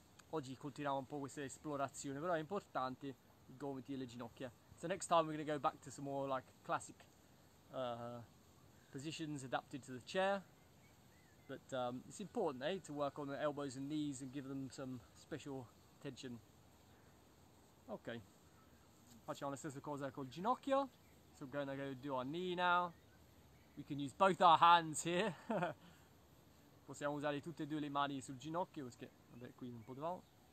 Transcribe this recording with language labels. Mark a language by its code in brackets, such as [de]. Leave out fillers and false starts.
[it] Oggi continuiamo un po' questa esplorazione, però è importante i gomiti e le ginocchia. [en] So next time we're going to go back to some more like classic positions adapted to the chair. But it's important, eh, to work on the elbows and knees and give them some special tension. Okay. [it] Facciamo la stessa cosa col ginocchio. [en] So we're going to go do our knee now. We can use both our hands here. [it] Possiamo usare tutte e due le mani sul ginocchio. [en] Let's get a bit [it] qui un po' davanti.